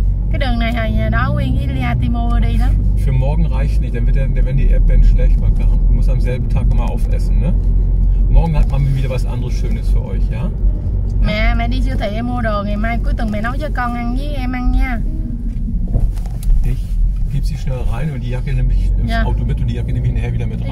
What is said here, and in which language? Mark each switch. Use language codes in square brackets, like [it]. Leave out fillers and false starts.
[vi] Cái đường này hồi đó Win với Lia Timo đi đó. [de] Für morgen reicht nicht, dann werden die Erdbeeren schlecht. Man muss am selben Tag immer aufessen, ne? Morgen hat Mami wieder was anderes Schönes für euch, ja? [vi] Mẹ, mẹ đi siêu thị em mua đồ, ngày mai cuối tuần mẹ nấu cho con ăn với em ăn nha. [de] Ich gib sie schnell rein und die Jacke nehme ich ins Auto mit und die Jacke nehme ich nachher wieder mit rein.